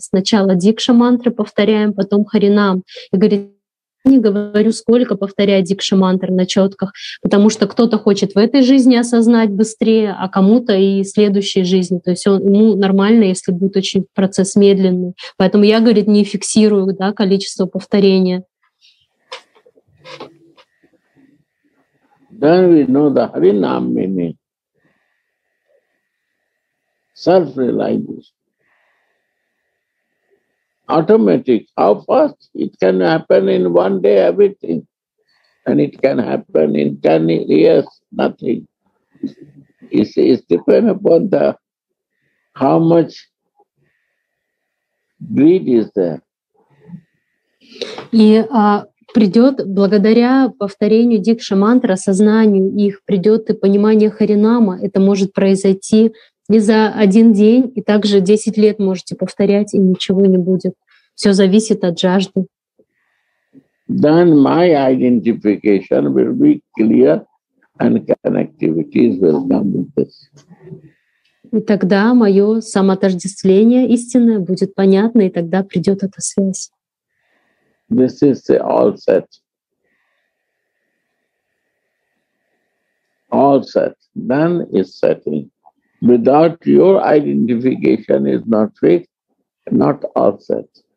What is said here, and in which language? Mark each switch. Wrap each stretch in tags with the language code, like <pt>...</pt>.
<ru>Сначала дикша мантры повторяем, потом харинам. И говорит, я не говорю, сколько повторять дикша мантр на четках, потому что кто-то хочет в этой жизни осознать быстрее, а кому-то и в следующей жизни. То есть ему нормально, если будет очень процесс медленный. Поэтому я, говорит, не фиксирую, да, количество повторения.</ru> <en>Then we know the Harinam meaning, self-realization, automatic, how fast it can happen in one day, everything, and it can happen in 10 years, nothing. It's depend upon the how much greed is there.</en> <ru>Придет благодаря повторению дикша мантра, сознанию их, придет и понимание харинама. Это может произойти и за один день, и также 10 лет можете повторять, и ничего не будет. Все зависит от жажды.</ru> <en>Then my identification will be clear and connectivities will come with this.</en> <ru>И тогда мое самоотождествление истинное будет понятно, и тогда придет эта связь.</ru> <en>This is the all set, then is setting. Without your identification is not fixed, not all set.</en>